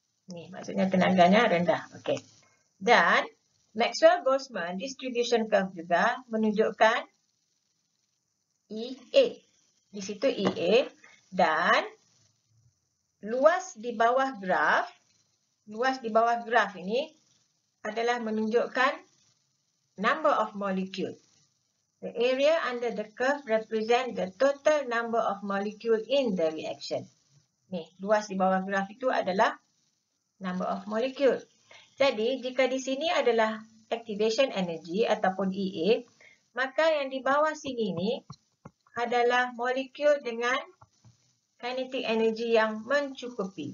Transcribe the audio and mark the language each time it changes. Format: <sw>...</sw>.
<ms>Ini maksudnya tenaganya rendah. Okey. Dan Maxwell-Boltzmann distribution curve juga menunjukkan EA. Di situ EA dan luas di bawah graf, luas di bawah graf ini adalah menunjukkan number of molecule.</ms> <en>The area under the curve represent the total number of molecule in the reaction.</en> <ms>Nih, luas di bawah graf itu adalah number of molecule. Jadi, jika di sini adalah activation energy ataupun EA, maka yang di bawah sini ini adalah molekul dengan kinetik energi yang mencukupi.</ms>